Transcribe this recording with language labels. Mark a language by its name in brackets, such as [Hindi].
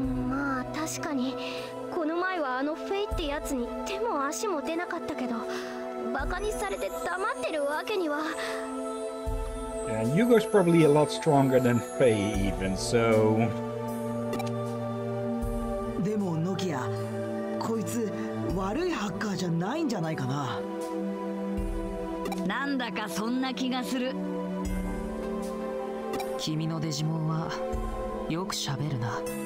[Japanese] まあ確かに。この前はあのフェイってやつに手も足も出なかったけど、バカにされて黙ってるわけには。 [English] And Yugo's probably a lot stronger than フェイ even, so... [Japanese] でも、ノキア、こいつ、悪いハッカーじゃないんじゃないかな。なんだかそんな気がする。君のデジモンは、よく喋るな。